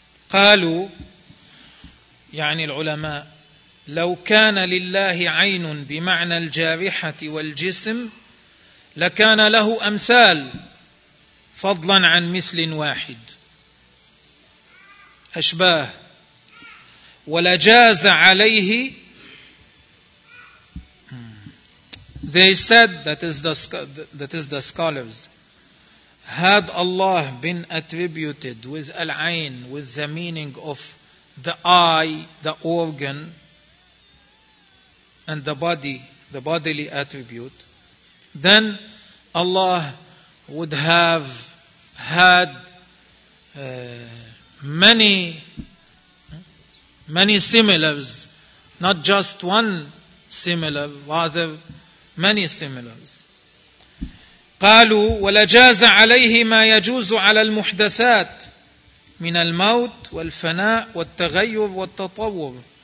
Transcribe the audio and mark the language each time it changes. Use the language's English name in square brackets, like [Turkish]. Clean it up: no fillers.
[Arabic] قالوا يعني العلماء لو كان لله عين بمعنى الجارحة والجسم لكان له أمثال فضلا عن مثل واحد أشباه ولجاز عليه. [English] They said, that is the scholars, had Allah been attributed with al-ayn, with the meaning of the eye, the organ, and the body, the bodily attribute, then Allah would have had many similars, not just one similar, rather many similars. [Arabic] قالوا ولجاز عليه ما يجوز على المحدثات من الموت والفناء والتغير والتطور.